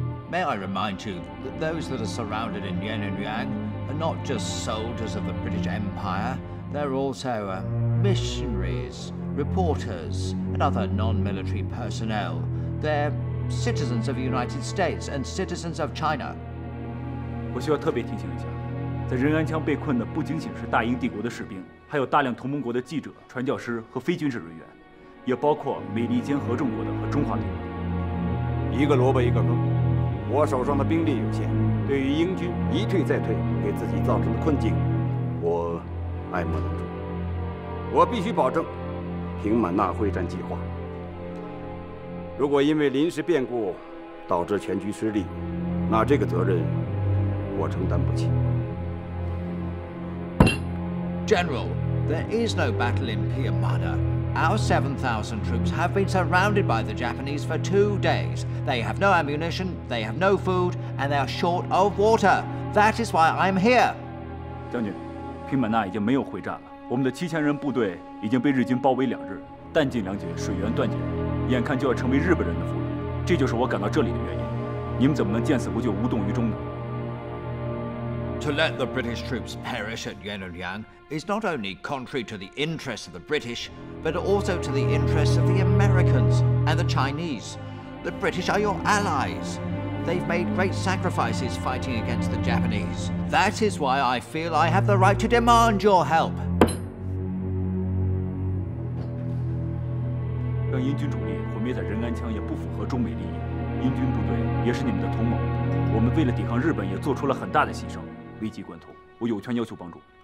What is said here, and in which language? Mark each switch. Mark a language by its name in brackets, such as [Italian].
[English] May I remind you that those that are surrounded in Yunnanyan are not just soldiers of the British Empire, they're also missionaries, reporters, and other non-military personnel. They're citizens of the United States and citizens of China. [Chinese] 我需要特别提醒一下。在仁安羌被困的不仅仅是大英帝国的士兵，还有大量同盟国的记者、传教士和非军事人员，也包括美利坚合众国等和中华民国。一个萝卜一个坑，我手上的兵力有限，对于英军一退再退给自己造成的困境，我爱莫能助。我必须保证平满纳会战计划。如果因为临时变故导致全局失利，那这个责任我承担不起。 [English] General, there is no battle in Piamada. Our 7,000 troops have been surrounded by the Japanese for 2 days. They have no ammunition, they have no food, and they are short of water. That is why I'm here. [Chinese] 将军，平满纳已经没有会战了。我们的7000人部队已经被日军包围两日，弹尽粮绝，水源断绝，眼看就要成为日本人的俘虏。这就是我赶到这里的原因。你们怎么能见死不救，无动于衷呢？ [English] To let the British troops perish at Yenanyang is not only contrary to the interests of the British, but also to the interests of the Americans and the Chinese. The British are your allies. They've made great sacrifices fighting against the Japanese. That is why I feel I have the right to demand your help. [Chinese] 让英军主力毁灭在仁安枪也不符合中美利益。英军部队也是你们的同盟，我们为了抵抗日本也做出了很大的牺牲。危急关头，我有权要求帮助。